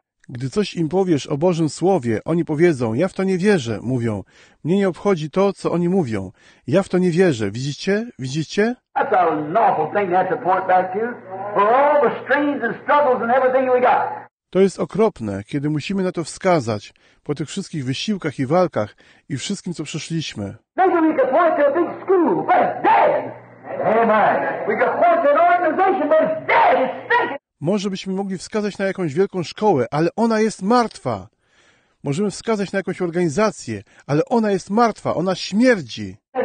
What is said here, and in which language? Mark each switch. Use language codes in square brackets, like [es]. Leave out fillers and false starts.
[pl] Gdy coś im powiesz o Bożym Słowie, oni powiedzą, ja w to nie wierzę, mówią. Mnie nie obchodzi to, co oni mówią. Ja w to nie wierzę. Widzicie? Widzicie? [en] That's an awful thing to have to point back to. For all the strains and struggles and everything we got. [pl] To jest okropne, kiedy musimy na to wskazać, po tych wszystkich wysiłkach i walkach i wszystkim, co przeszliśmy. [en] Maybe we could point to a big school, but it's dead. Amen. We could point to an organization, but it's dead. It's stinking. [pl] Może byśmy mogli wskazać na jakąś wielką szkołę, ale ona jest martwa. Możemy wskazać na jakąś organizację, ale ona jest martwa, ona śmierdzi.